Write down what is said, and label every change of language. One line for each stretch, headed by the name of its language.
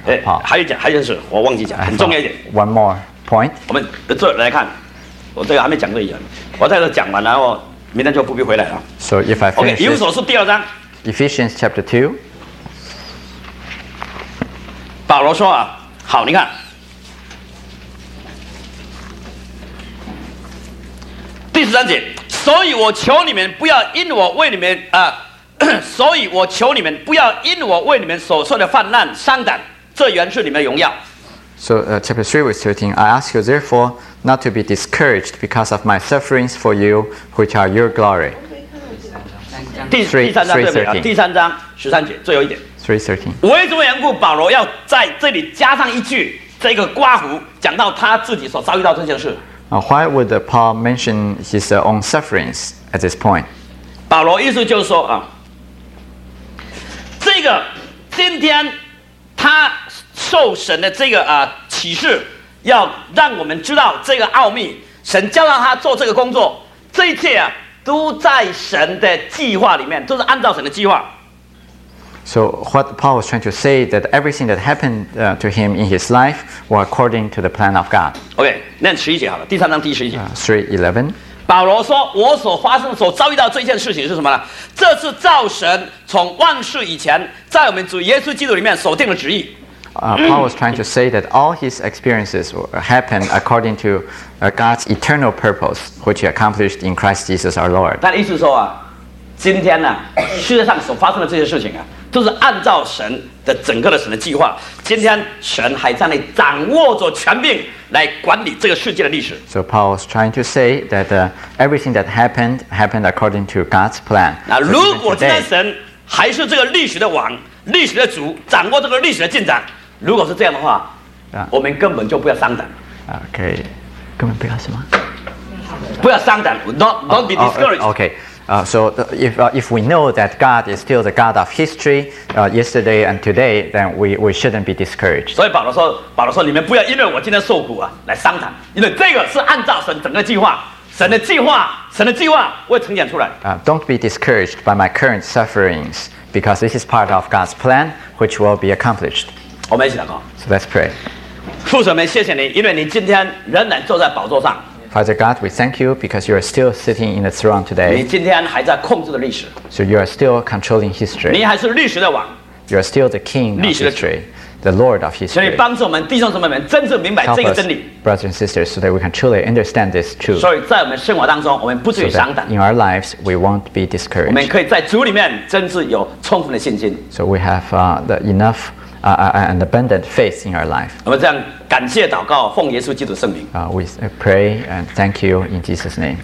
English: Of Paul.
Chinese: 还有一件事，我忘记讲，很重要一点。
English: One more. Point?
Chinese: 我们这来看，我这个还没讲这一点，我在这讲完了，然后明天就不必回来了。
English: So if I finish,
Chinese: okay, 以弗所书第二章
English: ，Ephesians chapter 2，
Chinese: 保罗说啊，好，你看，第十三节，所以我求你们不要因我为你们啊、所以我求你们不要因我为你们所受的患难伤感，这原是你们的荣耀。
English: So chapter 3 verse 13, I ask you therefore not to be discouraged because of my sufferings for you, which are your glory.
Chinese: 第三章十三节最后一点。
English: 3:13.
Chinese: 保罗要在这里加上一句，这个刮胡讲到他自己所遭遇到这件事。
English: Why would Paul mention his own sufferings at this point?
Chinese: 保罗意思就是说啊，这个今天他受神的这个启示，要让我们知道这个奥秘。神叫到他做这个工作，这一切啊，都在神的计划里面，都是按照神的计划。
English: So what Paul was trying to say that everything that happened to him in his life were according to the plan of God.
Chinese: Okay, 念十一节好了，第三章第十一节。
English: 3:11.
Chinese: 保罗说：“我所发生、所遭遇到这件事情是什么呢？这是造神从万事以前，在我们主耶稣基督里面所定的旨意。”
English: Paul was trying to say that all his experiences happened according to God's eternal purpose, which he accomplished in Christ Jesus our Lord.
Chinese: 他的意思说啊，今天呢、啊，世界上所发生的这些事情啊，都是按照神的整个的神的计划。今天神还在那里掌握着权柄来管理这个世界的历史。
English: So Paul was trying to say that everything that happened according to God's plan.
Chinese: 那如果今天神还是这个历史的王？历史的主掌握这个历史的进展，如果是这样的话，我们根本就不要伤胆。 OK， 根本不要什么？不要伤胆 ，
English: not be discouraged. OK， so if we know that God is still the God of history, yesterday and today, then we shouldn't be discouraged.
Chinese: 所以保罗说，你们不要因为我今天受苦啊来伤胆，因为这个是按照神整个计划。神的计划会呈现出来。
English: Don't be discouraged by my current sufferings, because this is part of God's plan, which will be accomplished.
Chinese: 我们一起祷告。
English: So let's pray.
Chinese: 父神，我们谢谢你，因为你今天仍然坐在宝座上。
English: Father God, we thank you because you are still sitting in the throne today.
Chinese: 你今天还在控制的历史。
English: So you are still controlling history.
Chinese: 你还是历史的王。
English: You are still the king of history. The Lord of history.
Chinese: 所以帮助我们弟兄姊妹们真正明白这个真理。
English: Help us, brothers and sisters, so that we can truly understand this truth.
Chinese: 所以在我们生活当中，我们不至于伤胆。
English: In our lives, we won't be discouraged.
Chinese: 我们可以在主里面真正有充分的信心。
English: So we have the enough an abundant faith in our life.
Chinese: 我们这样感谢祷告，奉耶稣基督圣名。
English: We pray and thank you in Jesus' name.